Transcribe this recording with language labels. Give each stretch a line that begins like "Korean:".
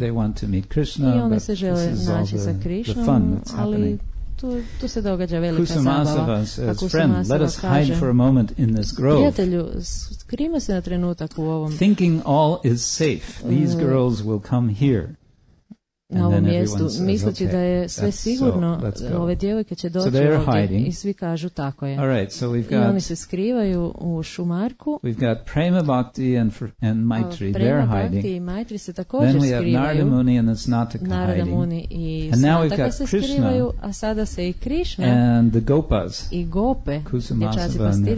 English: They want to meet Krishna, I but this is all
Croatian: Krishnom,
English: the fun that's happening.
Croatian: Tu se događa velika Kusumasava zabava.
English: Says, friend, let us hide for a moment in this grove.
Croatian: Prijatelju, skrijmo se na trenutak u ovom.
English: Thinking all is safe, these girls will come here.
Croatian: Na ovom mjestu, misleći da je sve sigurno, ove djevojke će doći ovdje
English: hiding.
Croatian: I svi kažu tako je.
English: All right, so we've got,
Croatian: i oni se skrivaju u šumarku.
English: We've got Prema Bhakti and Maitri, they're hiding.
Croatian: Prema Bhakti i Maitri se također
English: then we
Croatian: skrivaju.
English: Then Narada Muni and Snataka
Croatian: Narada Muni i Snataka se skrivaju, a sada se i Krishna
English: and the Gopas,
Croatian: i Gope, Kusumasava